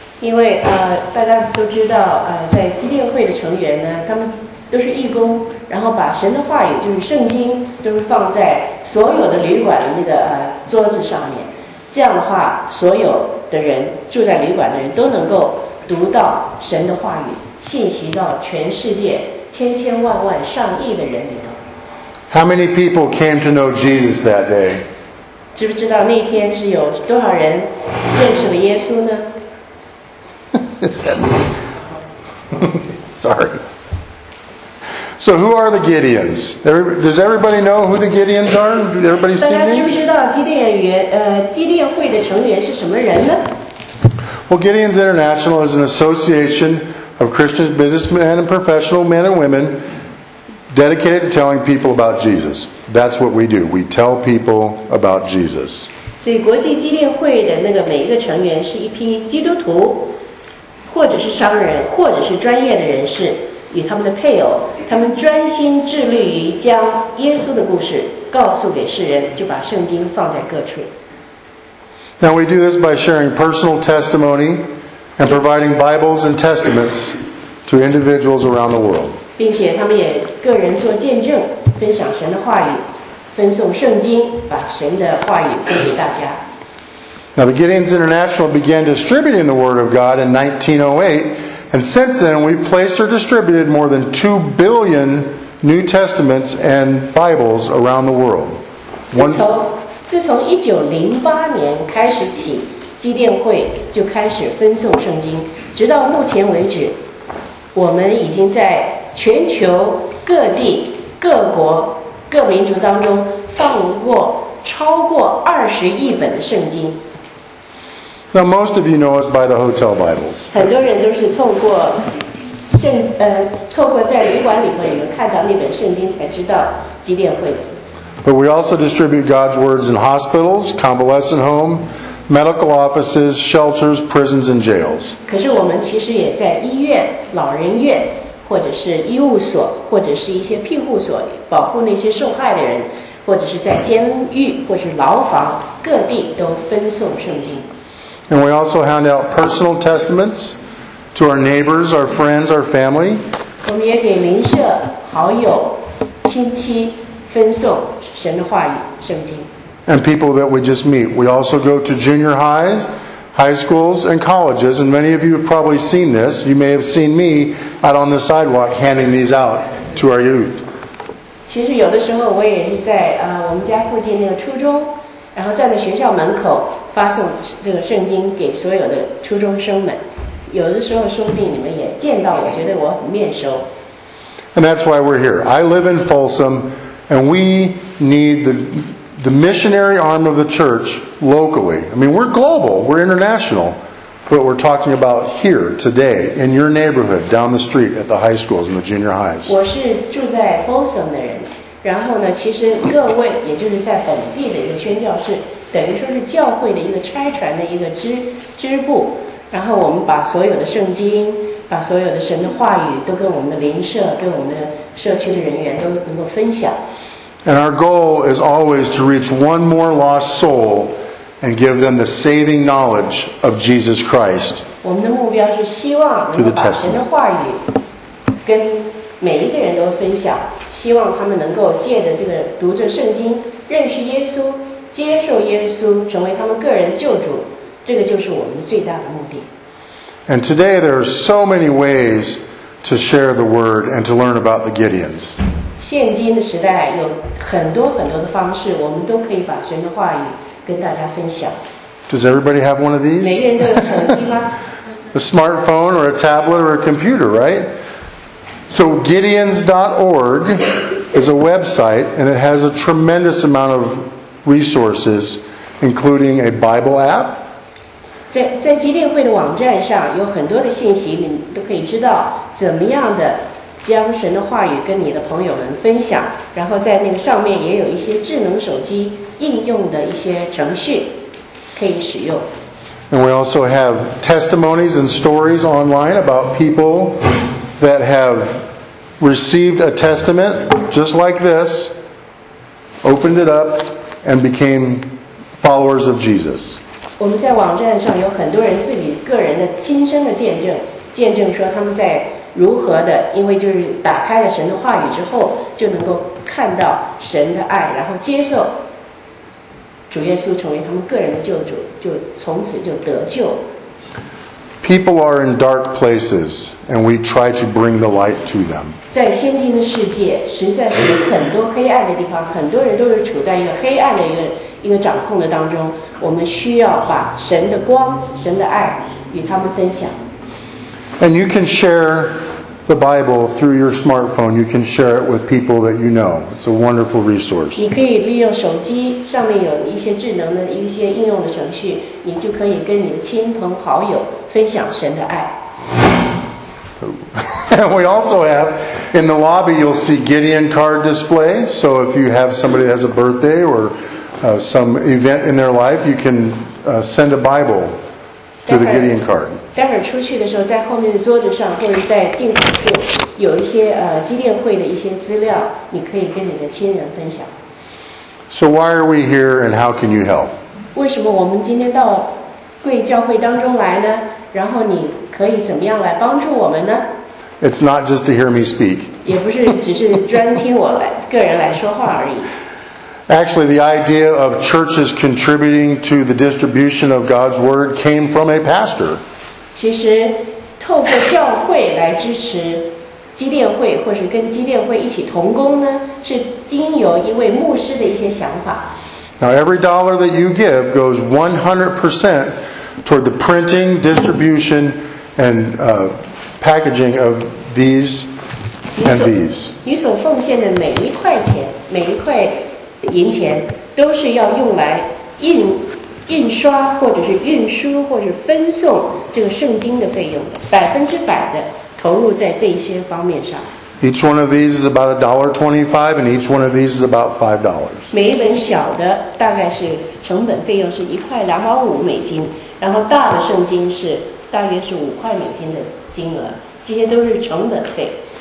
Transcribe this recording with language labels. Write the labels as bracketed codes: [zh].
[zh] 因为大家都知道在基甸会的成员呢，他们都是义工，然后把神的话语，就是圣经，都是放在所有的旅馆的那个桌子上面。这样的话，所有的人住在旅馆的人都能够读到神的话语，信息到全世界千千万万上亿的人里头。 [en] How many people came to know Jesus that day? [zh] 知不知道那天是有多少人认识了耶稣呢？ [en] Is that me? Sorry. So who are the Gideons? Does everybody know who the Gideons are? Did everybody see these? [zh] 大家知不知道基甸会的成员是什么人呢？ [en] Well, Gideons International is an association of Christian businessmen and professional men and women dedicated to telling people about Jesus. That's what we do. We tell people about Jesus. [zh] 所以国际基甸会的那个每一个成员是一批基督徒，或者是商人，或者是专业的人士与他们的配偶，他们专心致力于将耶稣的故事告诉给世人，就把圣经放在各处。 [en] Now we do this by sharing personal testimony and providing Bibles and testaments to individuals around the world. [zh] 并且他们也个人做见证，分享神的话语，分送圣经，把神的话语分给大家。 [en] Now the Gideons International began distributing the word of God in 1908, and since then we've placed or distributed more than 2 billion New Testaments and Bibles around the world. [zh] 自从1908年开始起，基甸会就开始分送圣经，直到目前为止，我们已经在全球各地各国各民族当中放过超过20亿本的圣经。 [en] Now most of you know us by the hotel Bibles. [zh] 很多人都是透过在旅馆里头你们看到那本圣经才知道基甸会的。 [en] But we also distribute God's words in hospitals, convalescent home, medical offices, shelters, prisons, and jails. [zh] 可是我们其实也在医院、老人院。或者是医务所，或者是一些庇护所，保护那些受害的人，或者是在监狱，或者是牢房，各地都分送圣经。 [en] And we also hand out personal testaments to our neighbors, our friends, our family. [zh] 我们也给邻舍、好友、亲戚分送神的话语、圣经。 [en] And people that we just meet. We also go to junior highs, high schools, and colleges. And many of you have probably seen this. You may have seen me out on the sidewalk handing these out to our youth. [zh] 其实有的时候我也是在我们家附近那个初中，然后站在学校门口发送这个圣经给所有的初中生们。有的时候说不定你们也见到我，觉得我很面熟。 [en] And that's why we're here. I live in Folsom, and we need the missionary arm of the church locally. I mean, we're global, we're international, but we're talking about here today in your neighborhood, down the street at the high schools and the junior highs. [zh] 我是住在 Folsom 的人，然后呢，其实各位也就是在本地的一个宣教士，等于说是教会的一个拆传的一个支部。然后我们把所有的圣经，把所有的神的话语，都跟我们的邻舍，跟我们的社区的人员都能够分享。 [en] And our goal is always to reach one more lost soul and give them the saving knowledge of Jesus Christ. [zh] 我们的目标是希望能够把神的话语跟每一个人都分享，希望他们能够借着这个读着圣经，认识耶稣，接受耶稣，成为他们个人救主。这个就是我们最大的目的。 [en] And today there are so many ways to share the word and to learn about the Gideons. [zh] 现今的时代有很多很多的方式，我们都可以把神的话语跟大家分享。 [en] Does everybody have one of these? [zh] 每个人都有手机吗？ [en] A smartphone or a tablet or a computer, right? So Gideons.org is a website and it has a tremendous amount of resources, including a Bible app. [zh] 在基甸会的网站上有很多的信息，你都可以知道怎么样的将神的话语跟你的朋友们分享，然后在那个上面也有一些智能手机应用的一些程序可以使用。 [en] And we also have testimonies and stories online about people that have received a testament just like this, opened it up, and became followers of Jesus. [zh] 我们在网站上有很多人自己个人的亲身的见证，见证说他们在如何的，因为就是打开了神的话语之后，就能够看到神的爱，然后接受主耶稣成为他们个人的救主，就从此就得救。 [en] People are in dark places, and we try to bring the light to them. [zh] 在先进的世界，实在是有很多黑暗的地方，很多人都是处在一个黑暗的一个掌控的当中。我们需要把神的光、神的爱与他们分享。 [en] And you can share the Bible through your smartphone. You can share it with people that you know. It's a wonderful resource. [zh] 你可以利用手机，上面有一些智能的一些应用的程序，你就可以跟你的亲朋好友分享神的爱。 [en] And we also have, in the lobby, you'll see Gideon card display. So if you have somebody that has a birthday or some event in their life, you can send a Bible to the Gideon card. [zh] 待会儿出去的时候，在后面的桌子上或者在镜子处有一些基甸会的一些资料，你可以跟你的亲人分享。 [en] So why are we here and how can you help? [zh] 为什么我们今天到贵教会当中来呢？然后你可以怎么样来帮助我们呢？ [en] It's not just to hear me speak. [zh] 也不是只是专听我来个人来说话而已。 [en] Actually, the idea of churches contributing to the distribution of God's word came from a pastor. [zh] 其实，透过教会来支持基甸会，或是跟基甸会一起同工呢，是经由一位牧师的一些想法。 [en] Now, every dollar that you give goes 100% toward the printing, distribution, and packaging of these and these. [zh] 你所奉献的每一块钱，每一块银钱都是要用来印刷或者是运输或者分送这个圣经的费用，100%的投入在这些方面上。 [en] Each one of these is about $1.25, and each one of these is about $5. [zh] 每一本小的大概是成本费用是1.25块美金，然后大的圣经是大约是5块美金的金额，这些都是成本费。